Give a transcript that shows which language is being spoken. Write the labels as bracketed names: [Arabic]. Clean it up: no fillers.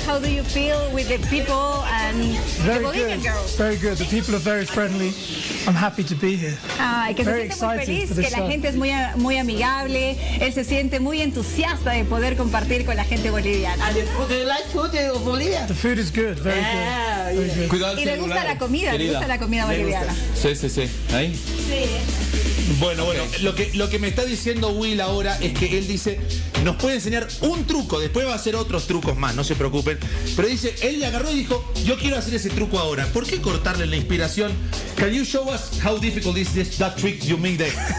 [English] How do you feel with the people and the Bolivian girls? Very good. The people are very friendly. I'm happy to be here. [Spanish] Ay, que se siente muy feliz, que la gente es muy, muy amigable. Él se siente muy entusiasta de poder compartir con la gente boliviana. [English] ¿Do you like food of Bolivia? The food is good, very good. Yeah. Very good. [Spanish] Cuidado, y le gusta la comida boliviana. Sí. ¿Ahí? Sí. Bueno, lo que me está diciendo Will ahora es que él dice, nos puede enseñar un truco, después va a hacer otros trucos más, no se preocupen. Pero dice, él le agarró y dijo, yo quiero hacer ese truco ahora. ¿Por qué cortarle la inspiración? [English] Can you show us how difficult is this, that trick you made there?